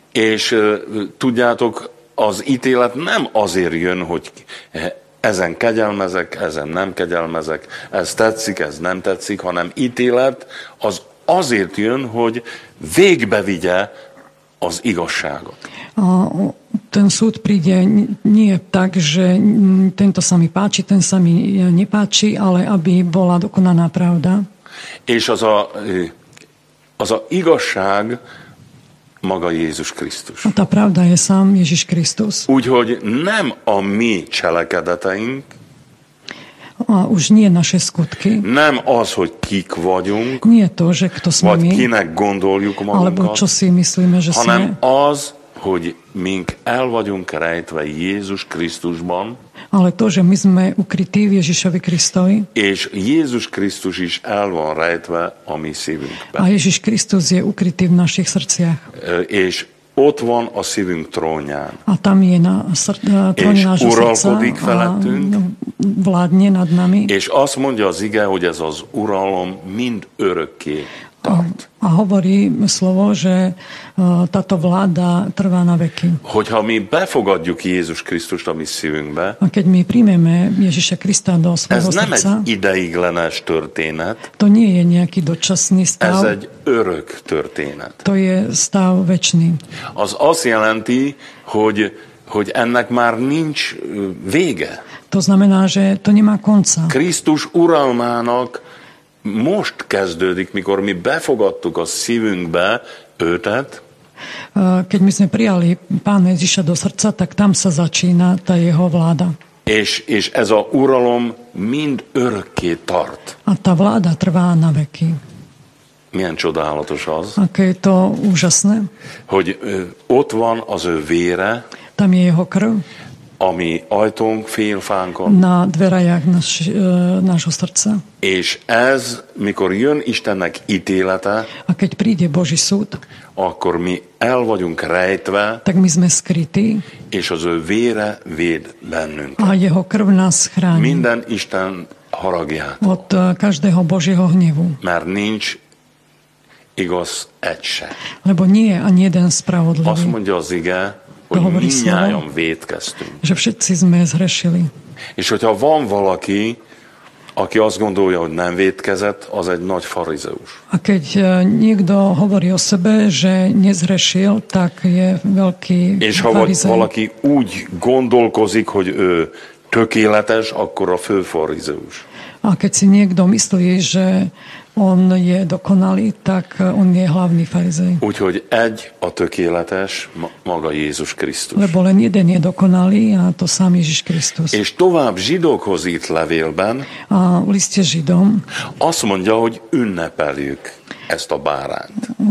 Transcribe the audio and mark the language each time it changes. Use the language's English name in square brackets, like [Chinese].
[Hungarian] És tudjátok, az ítélet nem azért jön, hogy ezen kegyelmezek, ezen nem kegyelmezek, ez tetszik, ez nem tetszik, hanem ítélet az azért jön, hogy végbe vigye az igazságot. [Slovak] A ten súd príde nie tak, že tento sa mi páči, ten sa mi nepáči, ale aby bola dokonaná pravda. [Hungarian] És az a, az a igazság maga Jézus Krisztus. [Slovak] A tá pravda je sám Ježiš Kristus. [Hungarian] Úgyhogy nem a mi cselekedeteink, [Slovak] a už nie naše skutky. [Hungarian] Nem az, hogy kik vagyunk. [Slovak] Nie to, že kto sme [Hungarian] vagy [Slovak] my. [Hungarian] Kinek gondoljuk magunkat. [Slovak] Alebo čo si myslíme, že [Hungarian] hanem [Slovak] sme. [Hungarian] Az, hogy mink el vagyunk rejtve Jézus Krisztusban. [Slovak] Ale to, že my sme ukrytí v Ježišovi Kristovi. [Hungarian] És Jézus Krisztus is el van rejtve a mi szívünkben. [Slovak] A Ježiš Kristus je ukrytý v našich srdciach. [Hungarian] És ott van a szívünk trónján. [Slovak] A tam je na tróni nášho srdca. [Hungarian] És uralkodik felettünk. [Slovak] Vládne nad nami. [Hungarian] És azt mondja az ige, hogy ez az uralom mind örökké tart. [Slovak] A hovorí slovo, že táto vláda trvá na veky. [Hungarian] Hogyha mi befogadjuk Jézus Krisztust a mi szívünkbe, [Slovak] a keď mi príjmeme Ježíša Krista do svojho srdca, [Hungarian] ez nem egy ideiglenes történet, [Slovak] to nie je nejaký dočasný stav, [Hungarian] ez egy örök történet. [Slovak] To je stav večný. [Hungarian] Az azt jelenti, hogy ennek már nincs vége. [Slovak] To znamená, že to nemá konca. [Hungarian] Krisztus uralmának most kezdődik, mikor mi befogadtuk a szívünkbe őtet. [Slovak] Keď my sme prijali Pána Ježiša do srdca, tak tam sa začína tá jeho vláda. [Hungarian] És ez a uralom mind örökké tart. [Slovak] A tá vláda trvá na veky. [Hungarian] Milyen csodálatos az. [Slovak] Aké je to úžasné. [Hungarian] Hogy ott van az ő vére. [Slovak] Tam je jeho krv. [Hungarian] Ami ajtónk félfánkon. [Slovak] Na dverajak nášho srdca. [Hungarian] És ez, mikor jön Istennek ítélete, [Slovak] a keď príde Boží súd, [Hungarian] akkor mi el vagyunk rejtve, [Slovak] tak my sme skrytí, [Hungarian] és az ő vére véd bennünket. [Slovak] A jeho krv nás chráni. [Hungarian] Minden Isten haragját. [Slovak] Od každého Božieho hnevu. [Hungarian] Mert nincs igaz egy se. [Slovak] Lebo nie ani jeden spravodlivý. [Hungarian] Azt mondja az ige, hogy mindnyájan vétkeztünk. [Slovak] Že všetci sme zhrešili. [Hungarian] És hogyha van valaki, aki azt gondolja, hogy nem vétkezett, az egy nagy farizeus. [Slovak] A keď niekto hovorí o sebe, že nezhrešil, tak je veľký [Hungarian] farizeus. És ha valaki úgy gondolkozik, hogy ő tökéletes, akkor a fő farizeus. [Slovak] A keď si niekto myslí, že on je dokonalý, tak on je hlavný farizej. [Hungarian] Úgyhogy egy a tökéletes, maga Jézus Krisztus. [Slovak] Lebo len jeden je dokonalý, a to sám Ježiš Krisztus. [Hungarian] És tovább zsidókhoz írt levélben, [Slovak] a v liste zsidom, [Hungarian] azt mondja, hogy ünnepeljük ezt a bárányt.